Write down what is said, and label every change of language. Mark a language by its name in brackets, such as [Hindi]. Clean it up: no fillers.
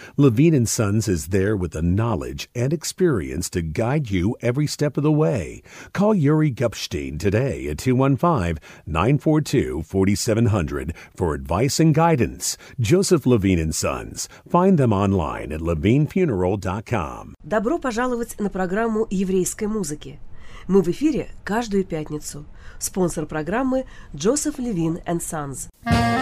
[English] Levine & Sons is there with the knowledge and experience to guide you every step of the way. Call Yuri Gupstein today at 215-942-4700 for advice and guidance. Joseph Levine & Sons. Find them online at levinefuneral.com. [Russian] Добро пожаловать на программу еврейской музыки. Мы в эфире каждую пятницу. Спонсор программы Joseph Levine & Sons.